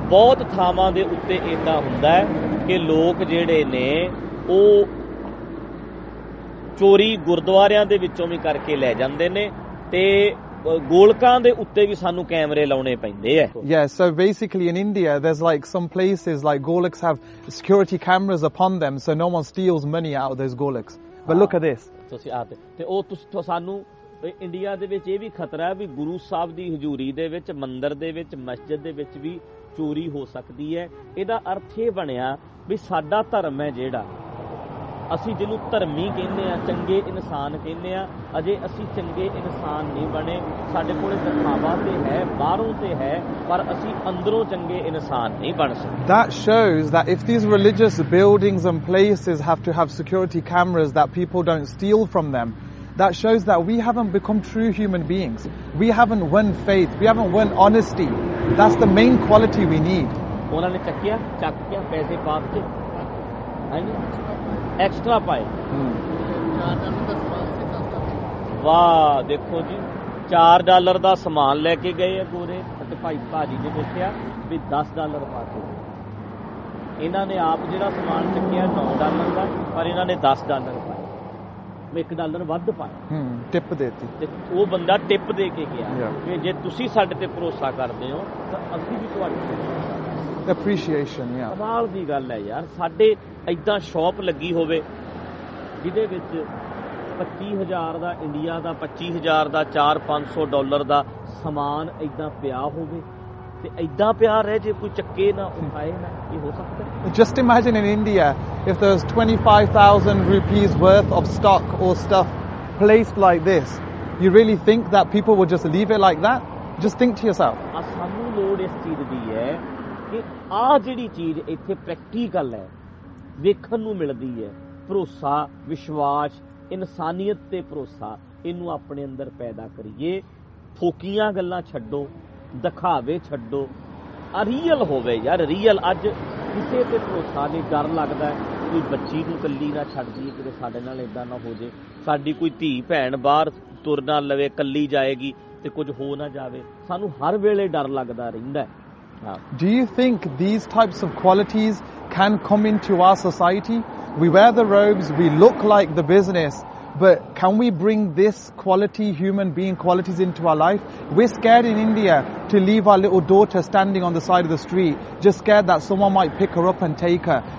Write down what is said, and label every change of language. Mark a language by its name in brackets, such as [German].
[Punjabi] ਬਹੁਤ ਥਾਵਾਂ ਦੇ ਉੱਤੇ ਇਦਾਂ ਹੁੰਦਾ ਹੈ ਕਿ ਲੋਕ ਜਿਹੜੇ ਨੇ ਉਹ ਚੋਰੀ ਗੁਰਦੁਆਰਿਆਂ ਦੇ ਵਿੱਚੋਂ ਵੀ ਕਰਕੇ ਲੈ ਜਾਂਦੇ ਨੇ ਤੇ ਗੋਲਕਾਂ ਦੇ ਉੱਤੇ ਵੀ ਸਾਨੂੰ ਕੈਮਰੇ ਲਾਉਣੇ ਪੈਂਦੇ ਹੈ. [English] Yes, so basically in India there's like some places like golaks have security cameras upon them so no one steals money out of those golaks. But look at this. [Punjabi] ਤੁਸੀਂ ਆਹ ਤੇ ਉਹ ਤੁਸੀਂ ਸਾਨੂੰ ਇੰਡੀਆ ਦੇ ਵਿੱਚ ਇਹ ਵੀ ਖਤਰਾ ਹੈ ਵੀ ਗੁਰੂ ਸਾਹਿਬ ਦੀ ਹਜ਼ੂਰੀ ਦੇ ਵਿੱਚ ਮੰਦਿਰ ਦੇ ਵਿੱਚ ਮਸਜਿਦ ਦੇ ਵਿੱਚ ਵੀ ਚੋਰੀ ਹੋ ਸਕਦੀ ਹੈ. ਇਹਦਾ ਅਰਥ ਇਹ ਬਣਿਆ ਵੀ ਸਾਡਾ ਧਰਮ ਹੈ ਜਿਹੜਾ ਅਸੀਂ ਜਿਹਨੂੰ ਧਰਮੀ ਕਹਿੰਦੇ ਹਾਂ, ਚੰਗੇ ਇਨਸਾਨ ਕਹਿੰਦੇ ਹਾਂ, ਅਜੇ ਅਸੀਂ ਚੰਗੇ ਇਨਸਾਨ ਨਹੀਂ ਬਣੇ. ਸਾਡੇ ਕੋਲ ਦਿਖਾਵਾ ਤੇ ਹੈ, ਬਾਹਰੋਂ ਤੇ ਹੈ, ਪਰ ਅਸੀਂ ਅੰਦਰੋਂ ਚੰਗੇ ਇਨਸਾਨ ਨਹੀਂ ਬਣ ਸਕਦੇ. [English] That shows that if these religious buildings and places have to have security cameras that people don't steal from them, that shows that we haven't become true human beings. We haven't won faith. We haven't won honesty. That's the main quality we need. [Punjabi] ਉਹਨਾਂ ਨੇ ਚੱਕਿਆ ਚੱਕਿਆ ਪੈਸੇ ਪਾ ਕੇ extra ਪਾਏ. ਵਾਹ, ਦੇਖੋ ਜੀ $4 ਦਾ ਸਮਾਨ ਲੈ ਕੇ ਗਏ ਆ ਗੋਰੇ ਤੇ ਭਾਈ ਭਾਜੀ ਨੇ ਦੇਖਿਆ ਵੀ $10 ਪਾ ਕੇ ਇਹਨਾਂ ਨੇ ਆਪ ਜਿਹੜਾ ਸਮਾਨ ਚੱਕਿਆ $9 ਦਾ ਪਰ ਇਹਨਾਂ ਨੇ $10 ਪਾਇਆ $1 ਵੱਧ ਪਾਇਆ ਟਿਪ ਦੇਤੀ ਉਹ ਬੰਦਾ ਟਿਪ ਦੇ ਕੇ ਗਿਆ ਕਿ ਜੇ ਤੁਸੀਂ ਸਾਡੇ ਤੇ ਭਰੋਸਾ ਕਰਦੇ ਹੋ ਤਾਂ ਅਸੀਂ ਵੀ ਤੁਹਾਡੇ [English] appreciation. Yeah, [Punjabi] ਕਮਾਲ ਦੀ ਗੱਲ ਹੈ ਯਾਰ. ਸਾਡੇ ਇਦਾਂ ਸ਼ੌਪ ਲੱਗੀ ਹੋਵੇ ਜਿਹਦੇ ਵਿੱਚ $25,000 ਦਾ ਇੰਡੀਆ ਦਾ $25,000 ਦਾ $400-$500 ਦਾ ਸਮਾਨ ਇਦਾਂ ਪਿਆ ਹੋਵੇ ਤੇ ਇਦਾਂ ਪਿਆ ਰਹੇ ਜੇ ਕੋਈ ਚੱਕੇ ਨਾ ਉਠਾਏ ਨਾ, ਇਹ ਹੋ ਸਕਦਾ? Just imagine in India if there's 25,000 rupees worth of stock or stuff placed like this, you really think that people would just leave it like that? Just think to yourself. ਸਾਨੂੰ ਲੋੜ ਇਸ ਚੀਜ਼ ਦੀ ਹੈ ਕਿ ਆਹ ਜਿਹੜੀ ਚੀਜ਼ ਇੱਥੇ ਪ੍ਰੈਕਟੀਕਲ ਹੈ, ਵੇਖਣ ਨੂੰ ਮਿਲਦੀ ਹੈ, ਭਰੋਸਾ, ਵਿਸ਼ਵਾਸ, ਇਨਸਾਨੀਅਤ ਤੇ ਭਰੋਸਾ, ਇਹਨੂੰ ਆਪਣੇ ਅੰਦਰ ਪੈਦਾ ਕਰੀਏ. ਫੋਕੀਆਂ ਗੱਲਾਂ ਛੱਡੋ, ਦਿਖਾਵੇ ਛੱਡੋ, ਆ ਰੀਅਲ ਹੋਵੇ ਯਾਰ, ਰੀਅਲ. ਅੱਜ ਕਿਸੇ 'ਤੇ ਭਰੋਸਾ ਨਹੀਂ, ਡਰ ਲੱਗਦਾ ਕੋਈ ਬੱਚੀ ਨੂੰ ਇਕੱਲੀ ਨਾ ਛੱਡ ਦਈਏ, ਕਿਤੇ ਸਾਡੇ ਨਾਲ ਇੱਦਾਂ ਨਾ ਹੋ ਜੇ ਸਾਡੀ ਕੋਈ ਧੀ ਭੈਣ ਬਾਹਰ ਤੁਰ ਨਾ ਲਵੇ, ਇਕੱਲੀ ਜਾਏਗੀ ਅਤੇ ਕੁਝ ਹੋ ਨਾ ਜਾਵੇ. ਸਾਨੂੰ ਹਰ ਵੇਲੇ ਡਰ ਲੱਗਦਾ ਰਹਿੰਦਾ. [English] Do you think these types of qualities can come into our society? We wear the robes, we look like the business, but can we bring this quality, human being qualities into our life? We're scared in India to leave our little daughter standing on the side of the street, just scared that someone might pick her up and take her.